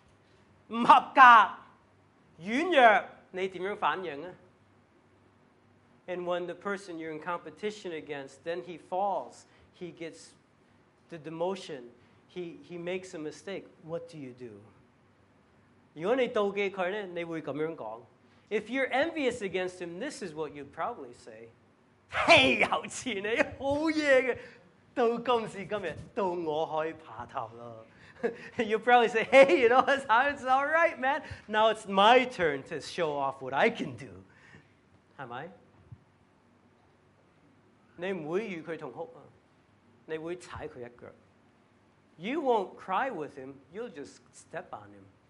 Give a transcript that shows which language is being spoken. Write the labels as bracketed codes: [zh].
[zh] 同样我们的对头呢，失败，不合格，软弱。你怎样反应呢? [en] And when the person you're in competition against, then he falls, he gets the demotion, he makes a mistake, what do you do? [zh] 如果你妒忌他呢,你会这样讲。 [en] If you're envious against him, this is what you'd probably say. [zh] 嘿,有钱你,好厉害的,到今时今日,到我可以爬头了。 [en] You probably say, hey, you know, it's all right, man. Now it's my turn to show off what I can do. Am I? [zh] 你不会与他同哭，你会踩他一脚。 [en] You won't cry with him, you'll just step on him.